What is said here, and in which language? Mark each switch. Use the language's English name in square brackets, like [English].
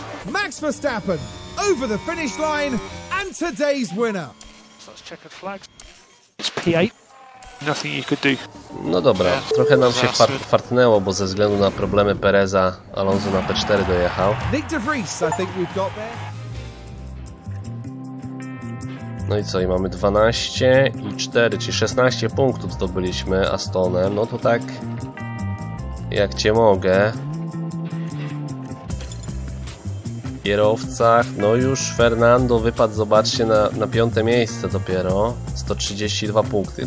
[English] Max Verstappen over the finish line and today's winner. It's P8. Nothing you could do. [Polish] No dobra, trochę nam się fartnęło, bo ze względu na problemy Pereza, Alonso na P4 dojechał. [English] Nick de Vries, I think we've got there. [Polish] No i co, i mamy 12 i 4, czyli 16 punktów zdobyliśmy Astonem, no to tak jak cię mogę. W kierowcach, no już Fernando wypadł, zobaczcie, na piąte miejsce dopiero, 132 punkty.